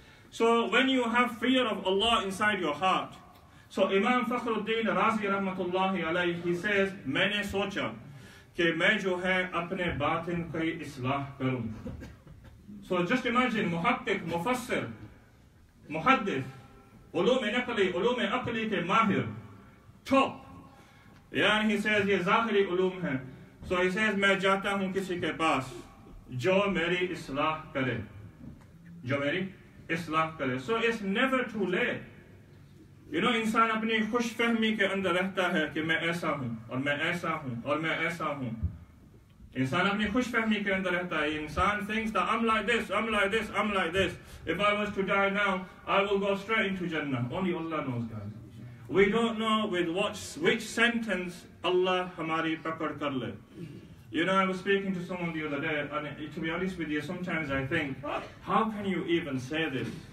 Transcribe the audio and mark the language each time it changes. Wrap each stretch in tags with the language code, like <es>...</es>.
<en>So when you have fear of Allah inside your heart, so Imam Fakhruddin Razi rahmatullahi alayhi, he says,</en> <ur>maine socha ke main jo hai apne batin ka islah karun.</ur> <en>So just imagine muhaqqiq, mufassir, muhaddith,</en> <ur>ulum-e-aqli ke mahir,</ur> <en>top. Yeah, and he says</en> <ur>ye zahiri ulum hai. So he says, میں جاتا ہوں کسی کے پاس جو میری اصلاح کرے.</ur> <en>So it's never too late.</en> <ur>You know, انسان اپنی خوش فہمی کے اندر رہتا ہے کہ میں ایسا ہوں اور میں ایسا ہوں اور میں ایسا ہوں. انسان اپنی خوش فہمی کے اندر رہتا ہے.</ur> <en>انسان thinks that I'm like this. If I was to die now, I will go straight into Jannah. Only Allah knows, guys. We don't know with which sentence Allah</en> <ur>ہماری پکڑ کر لے.</ur> <en>You know, I was speaking to someone the other day, and to be honest with you, sometimes I think, how can you even say this?</en>